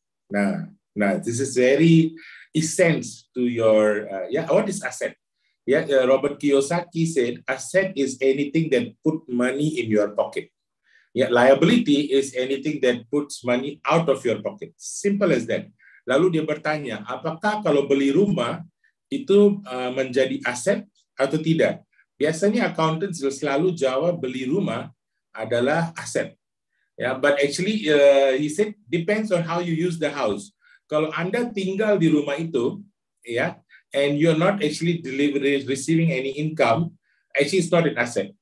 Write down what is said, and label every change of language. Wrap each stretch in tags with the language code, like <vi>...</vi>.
<en>Nah, this is very essence to your. What is asset? Yeah, Robert Kiyosaki said asset is anything that put money in your pocket. Yeah, liability is anything that puts money out of your pocket. Simple as that.</en> <id>Lalu dia bertanya, apakah kalau beli rumah itu menjadi aset atau tidak? Biasanya accountants selalu jawab beli rumah adalah aset.</id> <en>Yeah, but actually he said depends on how you use the house.</en> <id>Kalau Anda tinggal di rumah itu, ya,</id> <en>yeah, and you're not actually delivering, receiving any income, actually it's not an asset.</en>